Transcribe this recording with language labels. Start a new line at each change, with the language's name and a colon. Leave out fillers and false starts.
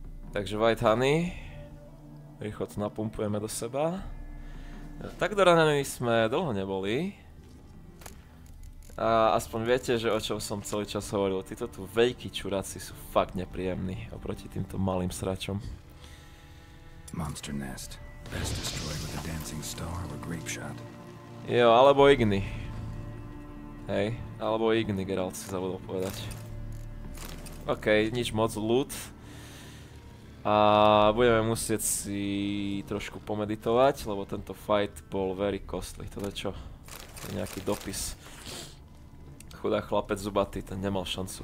Slovak: Takže White Honey, rýchlo to napumpujeme do seba. Tak doranení sme dlho neboli. A aspoň viete, že o čom som celý čas hovoril. Títo tu veľkí čuráci sú fakt nepríjemní oproti týmto malým sračom.
English: Monster nest. Best destroyed with a dancing star or grape shot.
Slovak: Jo, alebo Igni. Hej, alebo Igni, Geralt si zabudol povedať. OK, nič moc loot. A budeme musieť si trošku pomeditovať, lebo tento fight bol
English: very costly.
Slovak: To je čo? To je nejaký dopis. Chudá chlapec zubatý, ten nemal šancu.